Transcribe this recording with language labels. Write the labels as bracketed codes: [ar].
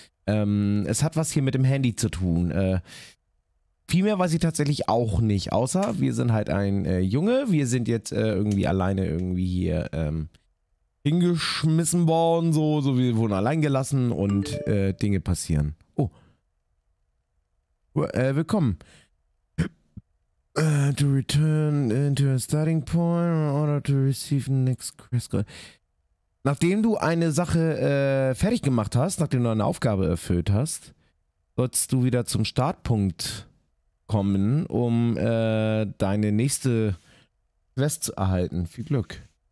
[de] Es hat was hier mit dem Handy zu tun. Viel mehr weiß ich tatsächlich auch nicht, außer wir sind halt ein Junge, wir sind jetzt irgendwie alleine irgendwie hier hingeschmissen worden, so wir wurden allein gelassen und Dinge passieren. Oh. Willkommen. [en] To return into a starting point in order to receive the next quest. [de] Nachdem du eine Sache fertig gemacht hast, nachdem du eine Aufgabe erfüllt hast, sollst du wieder zum Startpunkt kommen, um deine nächste Quest zu erhalten. Viel Glück.